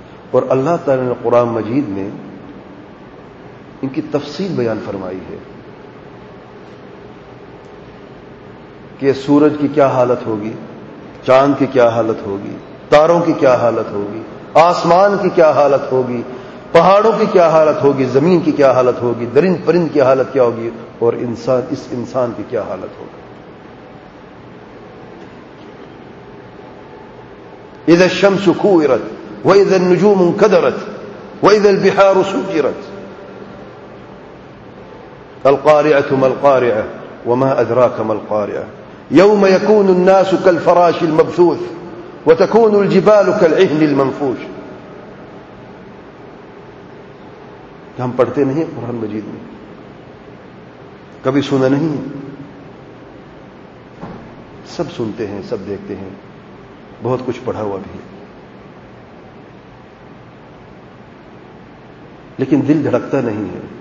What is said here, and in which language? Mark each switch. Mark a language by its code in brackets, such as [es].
[ur] اور اللہ تعالی نے قرآن مجید میں ان کی تفصیل بیان فرمائی ہے کہ سورج کی کیا حالت ہوگی, چاند کی کیا حالت ہوگی, تاروں کی کیا حالت ہوگی, آسمان کی کیا حالت ہوگی, پہاڑوں کی کیا حالت ہوگی, زمین کی کیا حالت ہوگی, درند پرند کی حالت کیا ہوگی, اور انسان, اس انسان کی کیا حالت ہوگی. [ar] اذا الشمس کورت و اذا النجوم انکدرت و اذا البحار سجرت القارعه ما القارعه وما ادراك ما القارعه يوم يكون الناس كالفراش المبثوث وتكون الجبال كالعهن المنفوش. [ur] ہم پڑھتے نہیں قرآن مجید میں, کبھی سنا نہیں, سب سنتے ہیں, سب دیکھتے ہیں, بہت کچھ پڑھا ہوا بھی ہے, لیکن دل دھڑکتا نہیں ہے.